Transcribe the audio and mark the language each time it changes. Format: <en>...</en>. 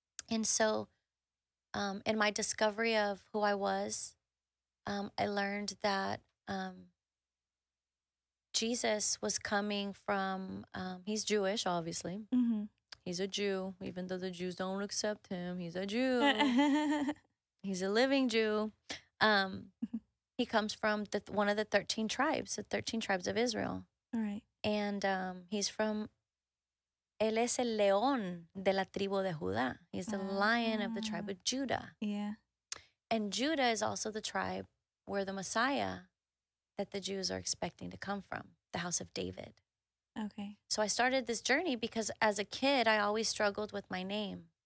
<en>And so in my discovery of who I was, I learned that Jesus was coming from, he's Jewish, obviously. Mm-hmm. He's a Jew, even though the Jews don't accept him. He's a Jew. He's a living Jew. He comes from one of the 13 tribes, the 13 tribes of Israel. Right. And he's from...</en> <es>Él es el león de la tribu de Judá.</es> <en>He's the lion of the tribe of Judah. Yeah. And Judah is also the tribe where the Messiah that the Jews are expecting to come from, the house of David. Okay. So I started this journey because as a kid, I always struggled with my name.</en>